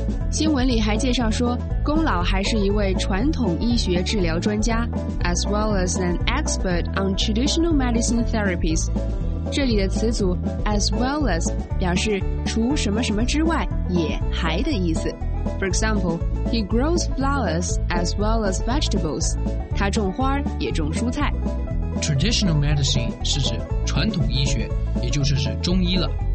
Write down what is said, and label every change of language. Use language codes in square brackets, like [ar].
[zh] 新闻里还介绍说，龚老还是一位传统医学治疗专家， [en] as well as an expert on traditional medicine therapies。 [zh] 这里的词组 as well as 表示除什么什么之外也还的意思。 [en] For example, he grows flowers as well as vegetables. [zh] 他种花也种蔬菜。 Traditional medicine 是指传统医学，也就是指中医了。